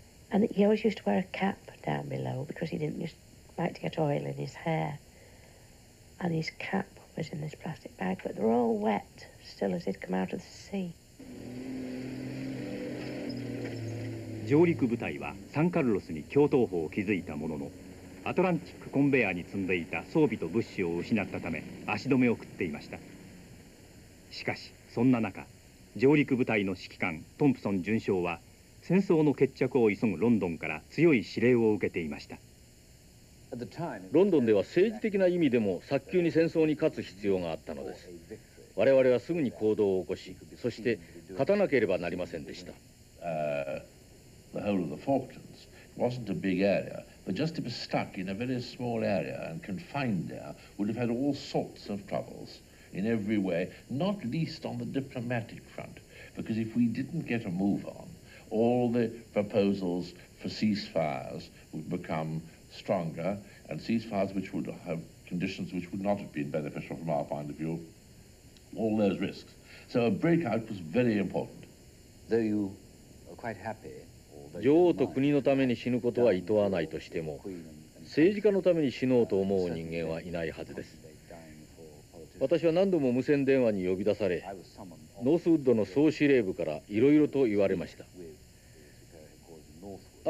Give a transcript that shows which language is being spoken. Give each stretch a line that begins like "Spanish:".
English: And he always used to wear a cap down below because he didn't just like to get oil in his hair. And his cap was in this plastic bag, but they're all wet still as they'd come out of the sea.
Japanese: 上陸部隊はサンカルロスに橋頭保を築いたものの、アトランティックコンベヤーに積んでいた装備と物資を失ったため足止めを食っていました。しかしそんな中、上陸部隊の指揮官トンプソン准将は戦争の決着を急ぐロンドンから強い指令を受けていました。ロンドンでは政治的な意味でも早急に戦争に勝つ必要があったのです。我々はすぐに行動を起こし、そして勝たなければなりませんでした。
English: The whole of the Falklands. It wasn't a big area, but just to be stuck in a very small area and confined there would have had all sorts of troubles in every way, not least on the diplomatic front, because if we didn't get a move on, all the proposals for ceasefires would become stronger, and ceasefires which would have conditions which would not have been beneficial from our point of view, all those risks. So a breakout was very important. Though you are quite happy.
Japanese: 女王と国のために死ぬことは厭わないとしても、政治家のために死のうと思う人間はいないはずです。私は何度も無線電話に呼び出され、ノースウッドの総司令部からいろいろと言われました。